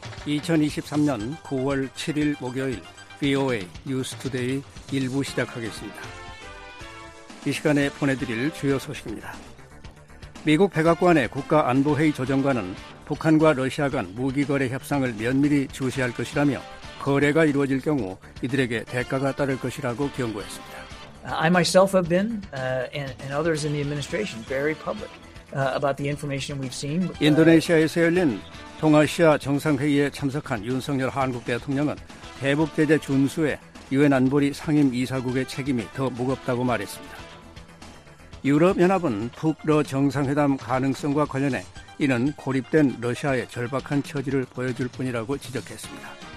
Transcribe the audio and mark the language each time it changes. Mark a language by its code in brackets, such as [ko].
[ko] 2023년 9월 7일 목요일 비오에이 뉴스 투데이 1부 시작하겠습니다. 이 시간에 보내드릴 주요 소식입니다. 미국 백악관의 국가안보회의 조정관은 북한과 러시아 간 무기거래 협상을 면밀히 주시할 것이라며 거래가 이루어질 경우 이들에게 대가가 따를 것이라고 경고했습니다. [en] I myself have been and others in the administration very public. About the information we've seen. [ko] 인도네시아에서 열린 동아시아 정상회의에 참석한 윤석열 한국 대통령은 대북 제재 준수에 유엔 안보리 상임 이사국의 책임이 더 무겁다고 말했습니다. 유럽연합은 북러 정상회담 가능성과 관련해 이는 고립된 러시아의 절박한 처지를 보여줄 뿐이라고 지적했습니다.